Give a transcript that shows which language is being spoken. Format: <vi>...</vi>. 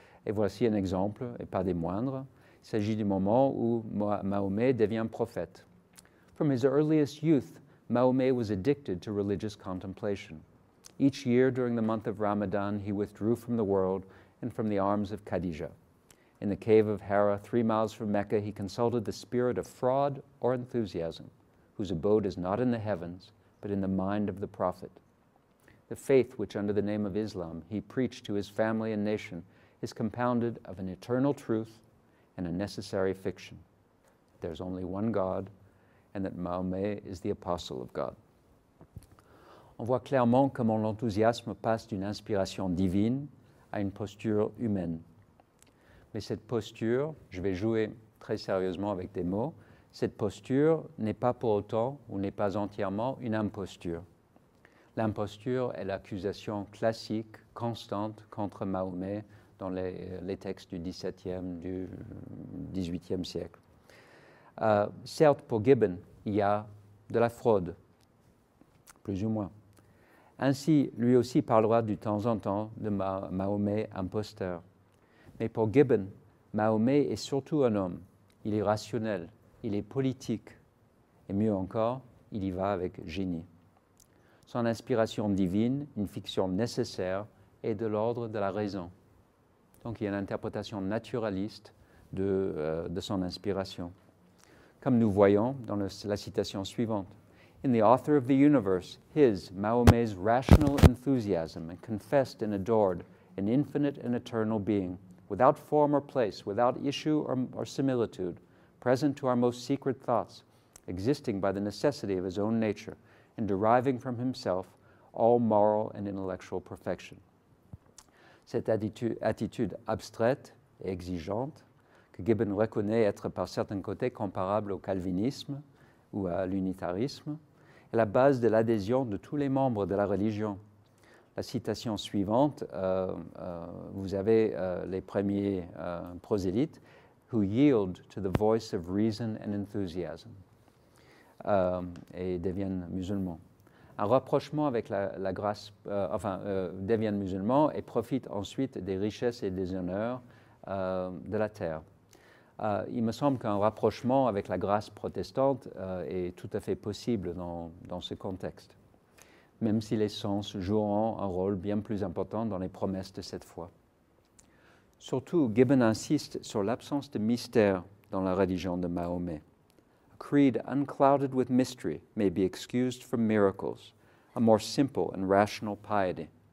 <fr>Et voici un exemple, et pas des moindres. Il s'agit du moment où Mahomet devient prophète.</fr> <en>From his earliest youth, Mahomet was addicted to religious contemplation. Each year during the month of Ramadan, he withdrew from the world and from the arms of Khadija. In the cave of Hara, 3 miles from Mecca, he consulted the spirit of fraud or enthusiasm, whose abode is not in the heavens, but in the mind of the prophet. The faith which, under the name of Islam, he preached to his family and nation is compounded of an eternal truth and a necessary fiction. There's only one God, and that Mahomet is the apostle of God.</en> <fr>On voit clairement comment l'enthousiasme passe d'une inspiration divine à une posture humaine. Mais cette posture, je vais jouer très sérieusement avec des mots, cette posture n'est pas pour autant ou n'est pas entièrement une imposture. L'imposture est l'accusation classique, constante, contre Mahomet dans les textes du XVIIe, du XVIIIe siècle. Certes, pour Gibbon, il y a de la fraude, plus ou moins. Ainsi, lui aussi parlera de temps en temps de Mahomet imposteur. Mais pour Gibbon, Mahomet est surtout un homme. Il est rationnel, il est politique, et mieux encore, il y va avec génie. Son inspiration divine, une fiction nécessaire, est de l'ordre de la raison. Donc il y a une interprétation naturaliste de son inspiration. Comme nous voyons dans la citation suivante.</fr> <en>In the author of the universe, his, Mahomet's rational enthusiasm, confessed and adored an infinite and eternal being, without form or place, without issue or similitude, present to our most secret thoughts, existing by the necessity of his own nature, and deriving from himself all moral and intellectual perfection.</en> <fr>Cette attitude abstraite et exigeante, que Gibbon reconnaît être par certains côtés comparable au calvinisme ou à l'unitarisme, est la base de l'adhésion de tous les membres de la religion. La citation suivante, vous avez les premiers prosélytes,</fr> <en>who yield to the voice of reason and enthusiasm,</en> <fr>et deviennent musulmans. Un rapprochement avec la grâce, deviennent musulmans et profitent ensuite des richesses et des honneurs de la terre. Il me semble qu'un rapprochement avec la grâce protestante est tout à fait possible dans ce contexte. même si les sens joueront un rôle bien plus important dans les promesses de cette foi. Surtout, Gibbon insiste sur l'absence de mystère dans la religion de Mahomet.</fr> <en>A creed unclouded with mystery may be excused from miracles, a more simple and rational piety.</en>